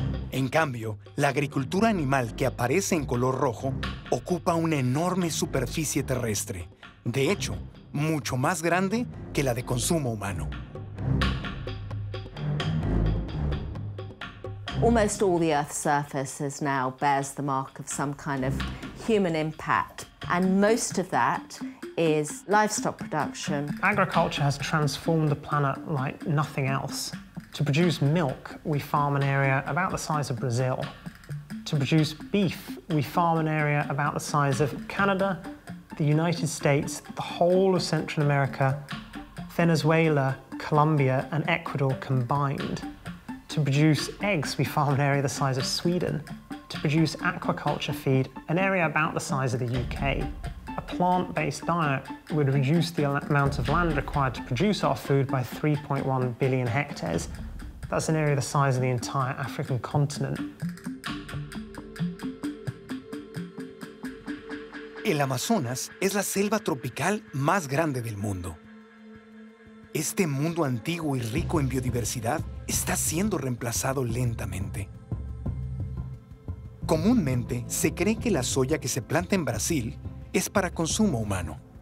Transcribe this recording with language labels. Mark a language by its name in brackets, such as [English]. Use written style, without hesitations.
[Spanish] En cambio, la agricultura animal que aparece en color rojo ocupa una enorme superficie terrestre. De hecho, mucho más grande que la de consumo humano. [English] Almost all the Earth's surface is now bears the mark of some kind of human impact. And most of that is livestock production. Agriculture has transformed the planet like nothing else. To produce milk, we farm an area about the size of Brazil. To produce beef, we farm an area about the size of Canada, the United States, the whole of Central America, Venezuela, Colombia, and Ecuador combined. To produce eggs, we farm an area the size of Sweden. To produce aquaculture feed, an area about the size of the UK. A plant-based diet would reduce the amount of land required to produce our food by 3.1 billion hectares. That's an area the size of the entire African continent. [Spanish] El Amazonas es la selva tropical más grande del mundo. Este mundo antiguo y rico en biodiversidad está siendo reemplazado lentamente. Comúnmente se cree que la soya que se planta en Brasil es para consumo humano.